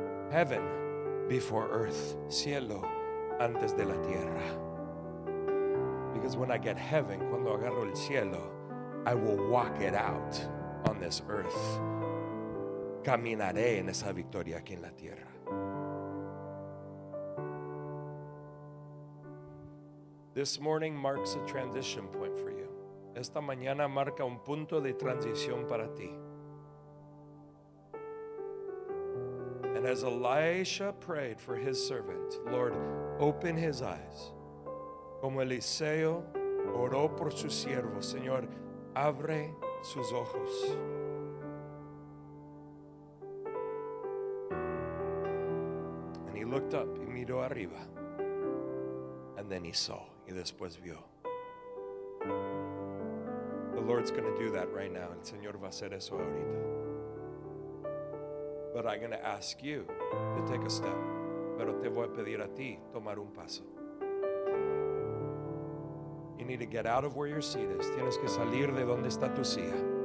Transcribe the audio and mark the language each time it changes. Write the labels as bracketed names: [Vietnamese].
[English] Heaven before earth. [Spanish] Cielo antes de la tierra. [English] Because when I get heaven, [Spanish] cuando agarro el cielo, [English] I will walk it out on this earth. [Spanish] Caminaré en esa victoria aquí en la tierra. [English] This morning marks a transition point for you. [Spanish] Esta mañana marca un punto de transición para ti. [English] And as Elisha prayed for his servant, Lord, open his eyes. [Spanish] Como Eliseo oró por su siervo, Señor, abre sus ojos. [English] And he looked up, [Spanish] y miró arriba. [English] And then he saw, [Spanish] y después vio. [English] The Lord's going to do that right now. [Spanish] El Señor va a hacer eso ahorita. [English] But I'm going to ask you to take a step. [Spanish] Pero te voy a pedir a ti tomar un paso. [English] You need to get out of where your seat is. [Spanish] Tienes que salir de donde está tu silla.